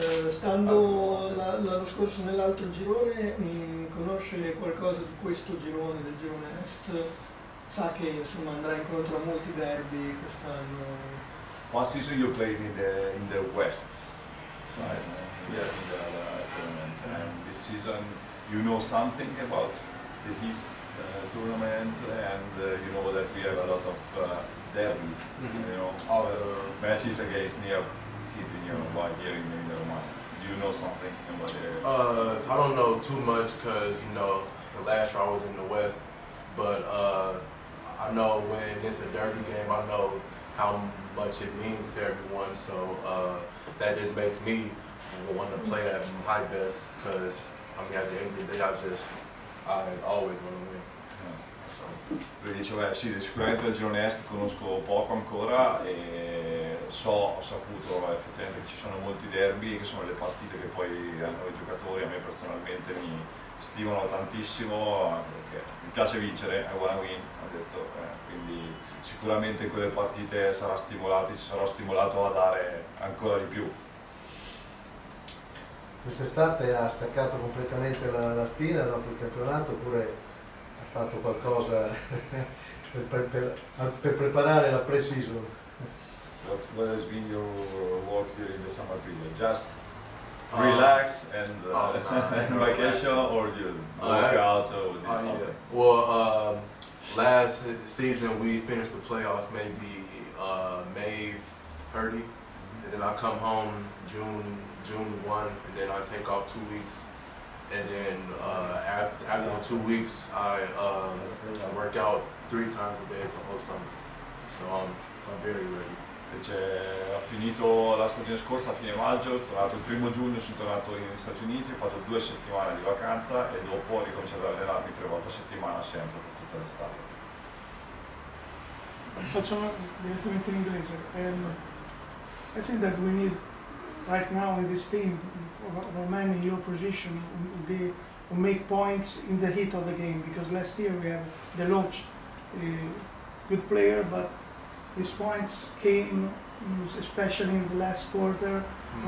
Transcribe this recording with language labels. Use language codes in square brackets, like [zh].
[it] Stando l'anno scorso nell'altro girone, conosce qualcosa di questo girone, del girone Est? Sa che insomma andrà incontro a molti derby quest'anno. [en] What season you played in the West side? Yeah, in the tournament. Mm-hmm. And this season, you know something about the East tournament, and you know that we have a lot of derbies. Mm-hmm. You know, matches against near city, you know, by here in the Romagna. Do you know something about it? I don't know too much, because you know, the last year I was in the West, but. I know when it's a derby game, I know how much it means to everyone, so that just makes me want to play at my best, because I mean, at the end of the day, I always want to win. [it] Lui diceva, sì, sicuramente il girone Est conosco poco ancora e ho saputo effettivamente che ci sono molti derby, che sono le partite che poi hanno i giocatori, a me personalmente mi stimolano tantissimo, perché mi piace vincere, [en] I wanna win, [it] ha detto, quindi sicuramente in quelle partite sarà stimolato, ci sarò stimolato a dare ancora di più. Quest'estate ha staccato completamente la spina dopo il campionato, oppure fatto qualcosa per preparare la pre-season? [en] What has been your work here in the summer period? Just relax and vacation, or do you work out or this Well, last season we finished the playoffs maybe May 30, and then I come home June 1, and then I take off 2 weeks. And then after 2 weeks, I work out 3 times a day for the whole summer. So I'm very ready. [it] Invece ha finito la stagione scorsa a fine maggio, sono tornato il 1 giugno, sono tornato negli Stati Uniti, ho fatto 2 settimane di vacanza e dopo ho ricominciato ad allenarmi 3 volte a settimana sempre per tutta l'estate. Facciamo direttamente in inglese. [en] I think that we need right now in this team, for many in your position, to make points in the heat of the game, because last year we have the launch, a good player, but his points came especially in the last quarter, mm-hmm.